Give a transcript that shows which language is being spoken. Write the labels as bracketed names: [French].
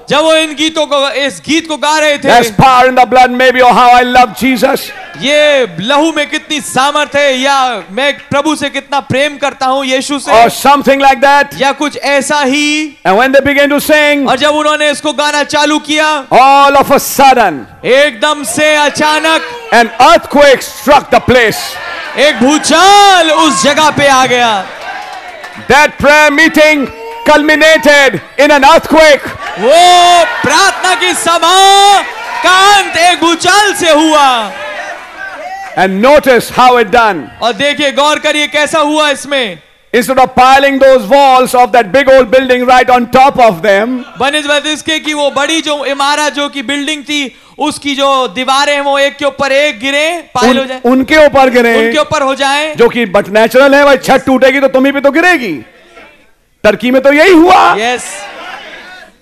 [Hindi] जब वो इन गीतों को इस गीत को गा रहे थे, [English] there's power in the blood, maybe, or how I love Jesus. [Hindi] ये लहू में कितनी सामर्थ है, या मैं प्रभु से कितना प्रेम करता हूँ यीशु से. [English] Or something like that. [Hindi] या कुछ ऐसा ही. [English] And when they began to sing, [Hindi] और जब उन्होंने इसको गाना चालू किया, [English] all of a sudden, [Hindi] एकदम से अचानक, [English] an earthquake struck the place. [Hindi] एक भूचाल उस जगह पे आ गया. [English] That prayer meeting. Culminated in an earthquake. [Hindi] वो प्रार्थना की सभा का अंत एक भूचाल से हुआ. [English] And notice how it done. [Hindi] और देखिए गौर करिए कैसा हुआ इसमें. [English] Instead of piling those walls of that big old building right on top of them, [Hindi] बनिस्बत इसके कि वो बड़ी जो इमारत जो की बिल्डिंग थी उसकी जो दीवारें हैं वो एक के ऊपर एक गिरे पाइल हो जाए, उनके ऊपर गिरे, उनके ऊपर हो जाए, जो की [English] but natural [Hindi] है. भाई छत टूटेगी तो तुम्हें भी तो गिरेगी. टर्की में तो यही हुआ. [English] Yes. Yes.